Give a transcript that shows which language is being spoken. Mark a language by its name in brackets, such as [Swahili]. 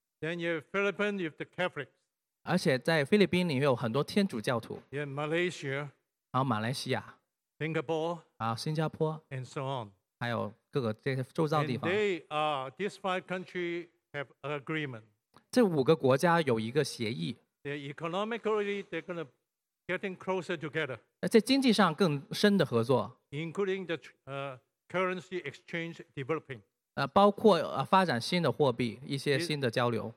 [English] Then you have Philippines, you have the Catholics. [Chinese] 而且在菲律宾里有很多天主教徒。 [English] You have Malaysia. [Chinese] 然后马来西亚。 [English] Singapore. [Chinese] 然后新加坡。 [English] And so on. [Chinese] 还有各个这些周遭地方。 [English] They are, these five countries have an agreement. [Chinese] 这五个国家有一个协议。 [English] They're economically, they're going to getting closer together. [Chinese] 在经济上更深的合作。 [English] Including the currency exchange developing. [Chinese] 包括发展新的货币，一些新的交流。